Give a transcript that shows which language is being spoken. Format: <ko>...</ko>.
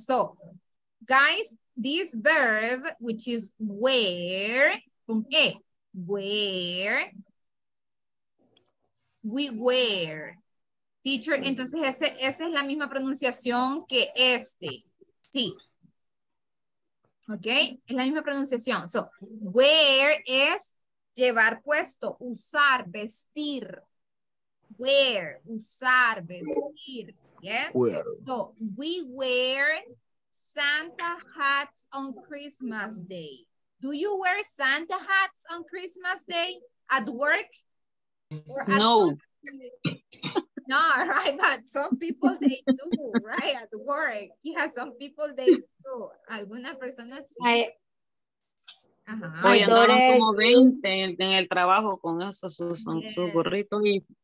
<en>So, guys, this verb, which is where,</en> <es>con E,</es> <en>where, we were.</en> <es>Teacher, entonces, esa es la misma pronunciación que este. Sí, Okay, es la misma pronunciación. So, wear es llevar puesto, usar, vestir.</es> <en>Wear,</en> <es>usar, vestir.</es> <en>Yes? So, we wear Santa hats on Christmas Day. Do you wear Santa hats on Christmas Day at work? Or at no. No, right, but some people they do, right, at work. Yeah, some people they do.</en> <es>Alguna persona sí. Hoy andaron como 20 en el trabajo con esos sus gorritos y...</es>